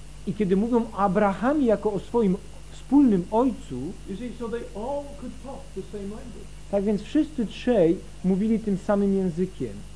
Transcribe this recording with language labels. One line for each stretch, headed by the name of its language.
Polish: I kiedy mówią o Abrahamie jako o swoim wspólnym ojcu,
English: see, so they all could talk the same language.
Polish: Tak więc wszyscy trzej mówili tym samym językiem.